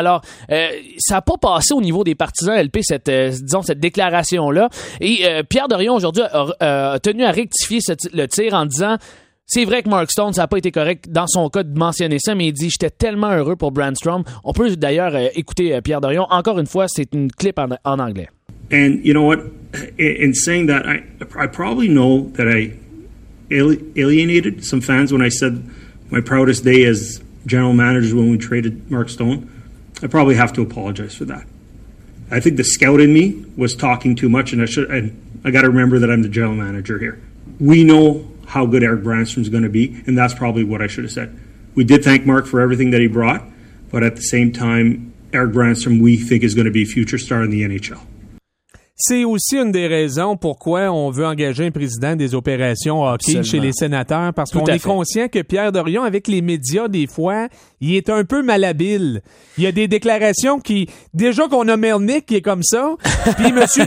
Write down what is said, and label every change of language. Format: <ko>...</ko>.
<fr>Alors, ça n'a pas passé au niveau des partisans LP, cette déclaration-là. Et Pierre Dorion, aujourd'hui, a tenu à rectifier le tir en disant « C'est vrai que Mark Stone, ça n'a pas été correct dans son cas de mentionner ça, mais il dit « J'étais tellement heureux pour Brandstrom ». On peut d'ailleurs écouter Pierre Dorion. Encore une fois, c'est une clip en anglais.</fr> <en>And you know what? In saying that, I probably know that I alienated some fans when I said my proudest day as general manager when we traded Mark Stone. I probably have to apologize for that. I think the scout in me was talking too much, and I got to remember that I'm the general manager here. We know how good Eric Brandstrom is going to be, and that's probably what I should have said. We did thank Mark for everything that he brought, but at the same time, Eric Brandstrom, we think, is going to be a future star in the NHL.</en> <fr>C'est aussi une des raisons pourquoi on veut engager un président des opérations hockey. Absolument. Chez les sénateurs, parce tout qu'on est conscient que Pierre Dorion, avec les médias, des fois, il est un peu malhabile. Il y a des déclarations qui... Déjà qu'on a Melnick qui est comme ça, puis M.</fr>